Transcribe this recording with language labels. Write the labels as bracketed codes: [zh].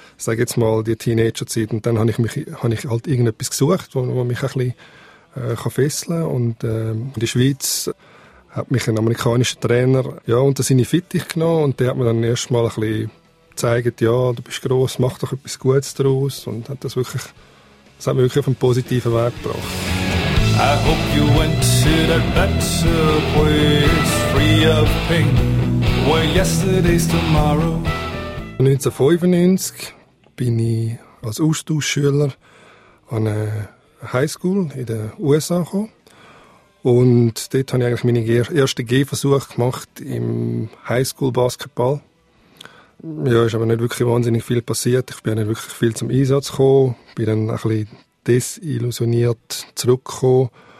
[de] Sag jetzt mal, die Teenagerzeit. Und dann habe ich halt irgendetwas gesucht, wo mich ein bisschen kann fesseln kann. Und in der Schweiz hat mich ein amerikanischer Trainer ja, unter seine Fittich genommen. Und der hat mir dann erst mal ein bisschen gezeigt, ja, du bist gross, mach doch etwas Gutes daraus. Und hat das wirklich, das hat mich wirklich auf einen positiven Weg gebracht. [en] I hope you went to that better place, free of pain, where yesterday's tomorrow. [de] 1995 bin ich als Austauschschüler an einer Highschool in den USA gekommen. Und dort habe ich eigentlich meine erste Gehversuche gemacht im Highschool-Basketball. Ja, ist aber nicht wirklich wahnsinnig viel passiert. Ich bin nicht wirklich viel zum Einsatz gekommen. Bin dann ein bisschen desillusioniert zurückgekommen